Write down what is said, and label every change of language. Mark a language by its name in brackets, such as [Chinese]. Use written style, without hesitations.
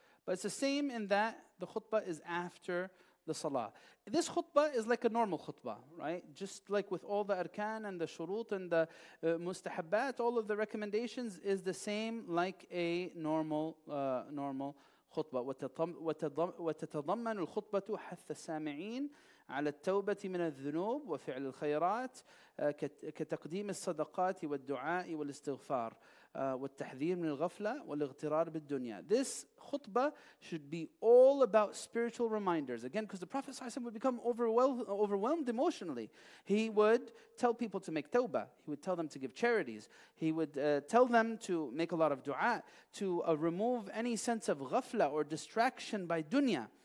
[English] But it's the same in that the khutbah is after the salah. This khutbah is like a normal khutbah, right? Just like with all the arkan and the shurut and the mustahabbat, all of the recommendations is the same like a normal khutbah. [Arabic] وَتَتَضَمَّنُ الْخُطْبَةُ حَثَّ السَّامِعِينَ على التوبة من الذنوب وفعل الخيرات كتقديم الصدقات والدعاء والاستغفار والتحذير من الغفلة والاغترار بالدنيا. [English] This khutbah should be all about spiritual reminders. Again, because the Prophet ﷺ would become overwhelmed emotionally. He would tell people to make tawbah. He would tell them to give charities. He would tell them to make a lot of dua, to remove any sense of ghafla or distraction by dunya.